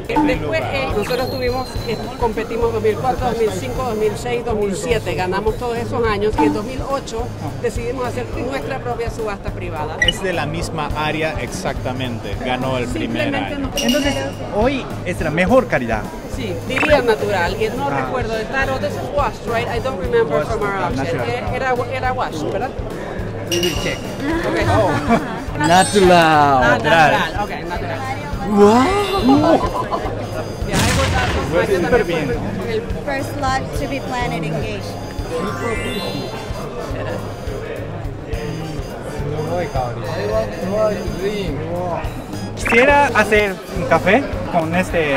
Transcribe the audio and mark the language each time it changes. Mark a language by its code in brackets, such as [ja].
[es] Después nosotros tuvimos, competimos 2004, 2005, 2006, 2007, ganamos todos esos años, y en 2008 decidimos hacer nuestra propia subasta privada. Es de la misma área exactamente, ganó el primer año. Entonces, hoy es la mejor calidad. Sí, diría natural, y no recuerdo, claro, [en] this is washed, right? I don't remember from our auction. [es] Era washed, ¿verdad? [en] We will check. Okay. Oh. Natural. Natural. Okay, natural. Wow. Yeah, I was at the first lot to be planted in Geisha. [es] ¿Quisiera hacer un café con este?